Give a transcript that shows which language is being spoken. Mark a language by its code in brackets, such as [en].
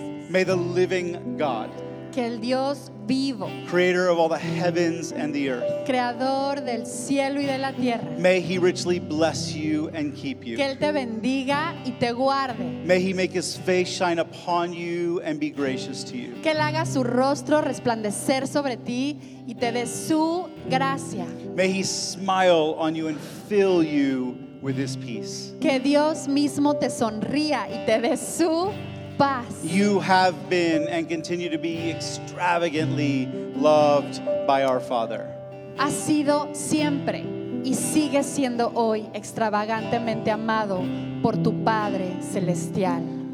[en] May the living God, [es] que el Dios vivo, [en] creator of all the heavens and the earth, [es] creador del cielo y de la tierra, [en] may he richly bless you and keep you. [es] Que él te bendiga y te guarde. [en] May he make his face shine upon you and be gracious to you. [es] Que él haga su rostro resplandecer sobre ti y te dé su gracia. [en] May he smile on you and fill you with his peace. [es] Que Dios mismo te sonría y te dé su paz. [en] You have been and continue to be extravagantly loved by our Father. [es] Ha sido siempre y sigue siendo hoy extravagantemente amado por tu Padre Celestial.